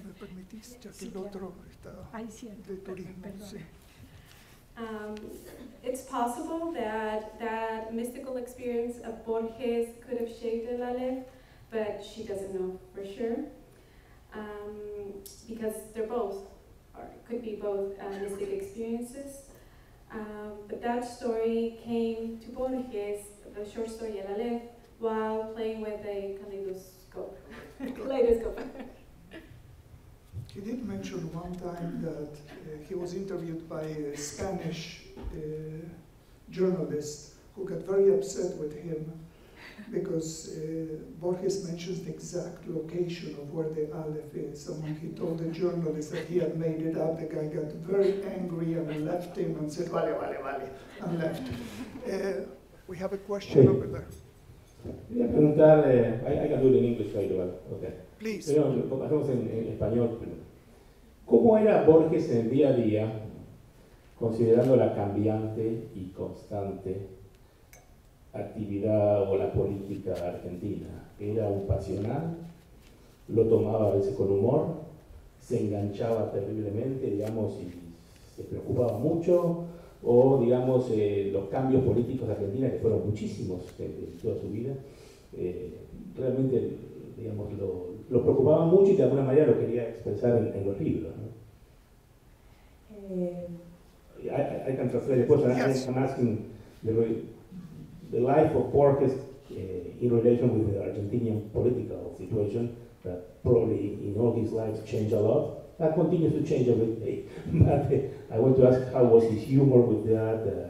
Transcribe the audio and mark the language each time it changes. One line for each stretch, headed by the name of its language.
Spanish: ¿Me permitís? Ya que sí, el otro está ahí, cierto, de turismo. Perdón. Sí.
English: It's possible that mystical experience of Borges could have shaped Eulalia, but she doesn't know for sure. Because they're both, or could be both, mystic experiences. But that story came to Borges, the short story Eulalia, while playing with a kaleidoscope. Kaleidoscope. He did mention one time that he was interviewed by a Spanish journalist who got very upset with him because Borges mentions the exact location of where the Aleph is, and when he told the journalist that he had made it up, the guy got very angry and left him and said,
Spanish: vale, vale, vale,
English: and left. We have a question over there. I can do it in English, by the way. Okay. Please.
Spanish: Hacemos en español primero. ¿Cómo era Borges en día a día, considerando la cambiante y constante actividad o la política argentina? ¿Era un pasional? ¿Lo tomaba a veces con humor? ¿Se enganchaba terriblemente, digamos, y se preocupaba mucho? ¿O, digamos, los cambios políticos de Argentina, que fueron muchísimos en toda su vida, realmente, digamos, lo preocupaba mucho y de alguna manera lo quería expresar en los libros, ¿no?
English: I can translate the question. Yes. I'm asking the life of Borges in relation with the Argentinian political situation that probably in all his life changed a lot. That continues to change every day. But I want to ask, how was his humor with that?